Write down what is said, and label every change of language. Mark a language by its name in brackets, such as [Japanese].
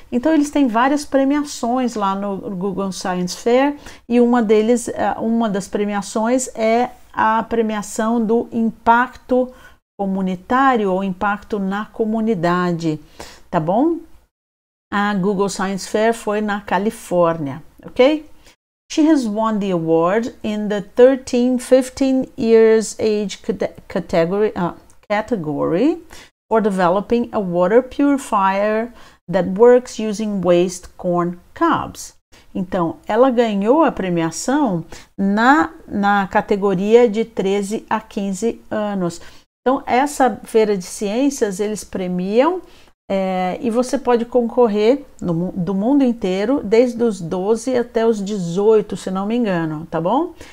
[Portuguese] Então eles têm várias premiações lá no Google Science Fair e uma das premiações é a premiação do impacto comunitário ou impacto na comunidade, tá bom? A Google Science Fair foi na Califórnia, ok? [English] She has won the award in the 13, 15 years age category for developing a water purifier that works using waste corn cobs. [Portuguese] Então, ela ganhou a premiação na categoria de 13 a 15 anos. Então, essa feira de ciências, eles premiam. E você pode concorrer no, do mundo inteiro, desde os 12 até os 18, se não me engano, tá bom?